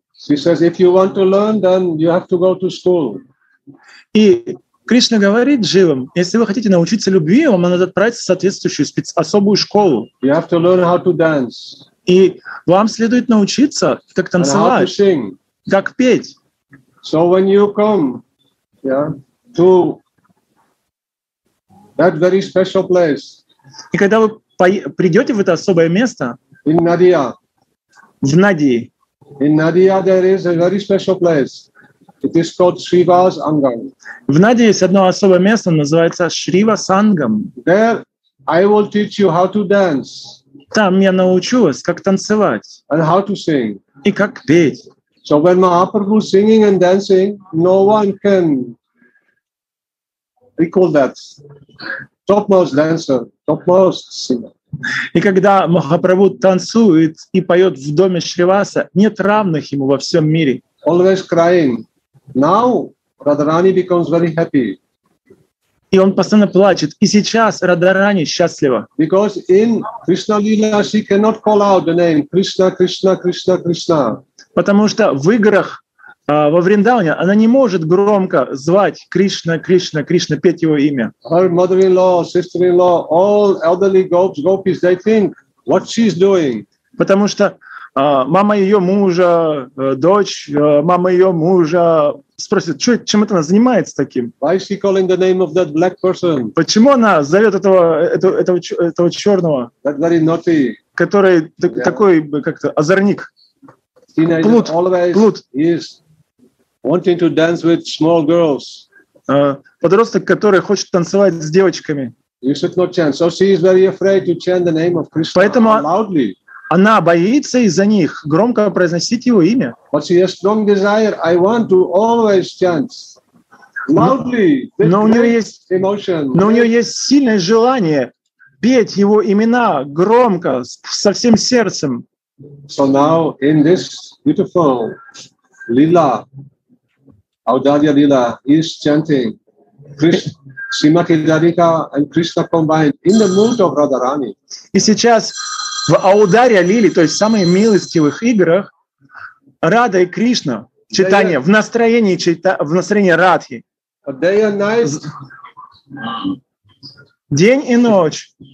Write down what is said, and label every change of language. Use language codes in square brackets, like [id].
[en] She says, if you want to learn, then you have to go to school. [ru] И Кришна говорит живым, если вы хотите научиться любви, вам надо отправиться в соответствующую особую школу. [en] You have to learn how to dance. [ru] И вам следует научиться, как танцевать, [en] and how to sing. [ru] Как петь. [en] So when you come, yeah, to that very special place. [ru] И когда вы придете в это особое место, [en] in Nadia. [ru] В Надии. [en] In Nadia there is a very special place. It is called Shriva Sangam. [ru] В Надии есть одно особое место, называется Шрива Сангам. [en] There I will teach you how to dance. [ru] Там я научу вас, как танцевать. [en] And how to sing. [ru] И как петь. [en] So when Mahaprabhu is singing and dancing, no one can recall that. Topmost dancer, topmost singer. [ru] И когда Махапрабху танцует и поет в доме Шриваса, нет равных ему во всем мире. [en] Always crying. Now Radharani becomes very happy. [ru] И он постоянно плачет. И сейчас Радхарани счастлива. [en] Because in Krishna Lila she cannot call out the name Krishna, Krishna, Krishna, Krishna. [ru] Потому что в играх во Вриндауне она не может громко звать Кришна, Кришна, Кришна, петь его имя. [en] Her mother-in-law, sister-in-law, all elderly gopis, gopis, they think what she's doing. [ru] Потому что мама ее мужа, дочь, мама ее мужа спросит, чем это она занимается таким? [en] Why is she calling the name of that black person? [ru] Почему она зовет этого черного, [en] that very naughty, [ru] который yeah, такой как-то озорник? Плут, плут. [en] Wanting to dance with small girls. [ru] Подросток, который хочет танцевать с девочками. [en] You should not chant. So she is very afraid to chant the name of Krishna. [ru] Поэтому [en] loudly. [ru] Она боится из-за них громко произносить его имя. [en] But she has strong desire. I want to always chant loudly. [ru] Но у нее есть [en] emotion. [ru] Но у нее есть сильное желание петь его имена громко со всем сердцем. [en] So now in this beautiful lila, Audarya Lila is chanting Krishna, Srimati Radhika and Krishna combined in the mood of Radharani. [ru] И сейчас в Audarya Lili, то есть самых милостивых играх, Рада и Кришна читание в настроении Радхи. [en] Day and night. [ru] День и ночь.